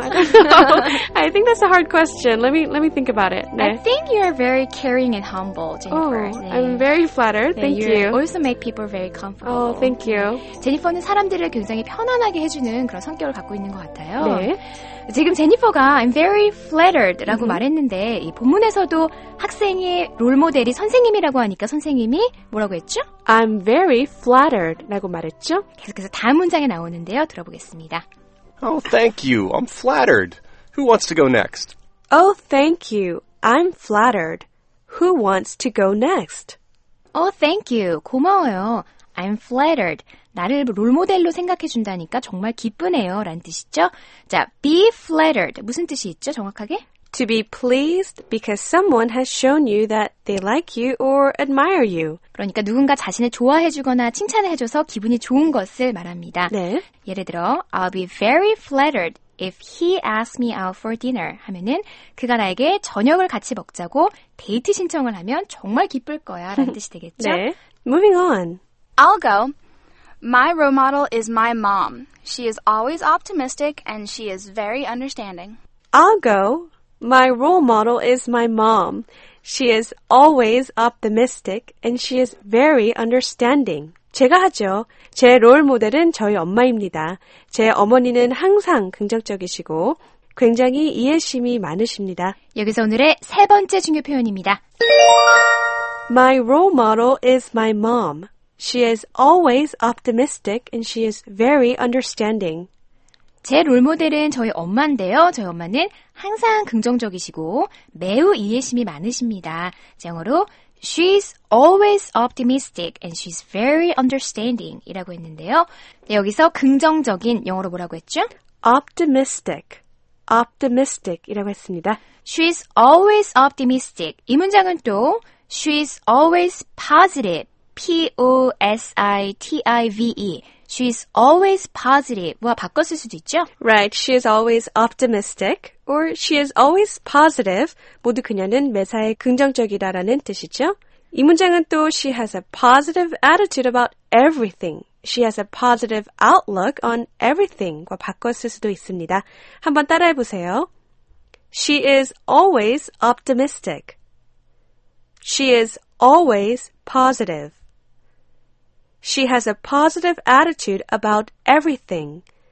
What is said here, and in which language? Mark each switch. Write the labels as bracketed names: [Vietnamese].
[English] I don't know. I think that's a hard question. Let me think about it. 네. I think you are very caring and humble, Jennifer. Oh, 네. I'm very flattered. [Korean] 네, [English] thank you. You also make people very comfortable. Oh, thank you. [Korean] 제니퍼는 사람들을 굉장히 편안하게 해주는 그런 성격을 갖고 있는 것 같아요. 네. 지금 제니퍼가 [English] I'm very flattered [Korean] 라고 말했는데 이 본문에서도 학생의 롤모델이 선생님이라고 하니까 선생님이 뭐라고 했죠? [English] I'm very flattered라고 [Korean] 말했죠. 계속해서 다음 문장에 나오는데요. 들어보겠습니다. [English] Oh, thank you. I'm flattered. Who wants to go next? Oh, thank you. I'm flattered. Who wants to go next? Oh, thank you. [Korean] 고마워요. [English] I'm flattered. [Korean] 나를 롤모델로 생각해준다니까 정말 기쁘네요. 라는 뜻이죠. 자, [English] be flattered. [Korean] 무슨 뜻이 있죠? 정확하게? [English] To be pleased because someone has shown you that they like you or admire you. [Korean] 그러니까 누군가 자신을 좋아해주거나 칭찬해줘서 기분이 좋은 것을 말합니다. 네. [English] 예를 들어, I'll be very flattered if he asks me out for dinner. [Korean] 하면은 그가 나에게 저녁을 같이 먹자고 데이트 신청을 하면 정말 기쁠 거야. 라는 뜻이 되겠죠? [English] 네. Moving on. I'll go. My role model is my mom. She is always optimistic and she is very understanding. I'll go. My role model is my mom. She is always optimistic and she is very understanding. [Korean] 제가 하죠. 제 롤 모델은 저희 엄마입니다. 제 어머니는 항상 긍정적이시고 굉장히 이해심이 많으십니다. 여기서 오늘의 세 번째 중요 표현입니다. [English] My role model is my mom. She is always optimistic and she is very understanding. [Korean] 제 롤모델은 저희 엄마인데요. 저희 엄마는 항상 긍정적이시고 매우 이해심이 많으십니다. [English] 영어로 She's always optimistic and she's very understanding [Korean] 이라고 했는데요. 네, 여기서 긍정적인 영어로 뭐라고 했죠? [English] Optimistic. Optimistic [Korean] 이라고 했습니다. [English] She's always optimistic. [Korean] 이 문장은 또 [English] She's always positive. P-O-S-I-T-I-V-E. She's always positive와 [Korean] 바꿨을 수도 있죠. [English] Right. She is always optimistic or she is always positive. [Korean] 모두 그녀는 매사에 긍정적이다라는 뜻이죠. 이 문장은 또 [English] she has a positive attitude about everything. She has a positive outlook on everything과 [Korean] 바꿨을 수도 있습니다. 한번 따라해 보세요. [English] She is always optimistic. She is always positive. She has a positive attitude about everything.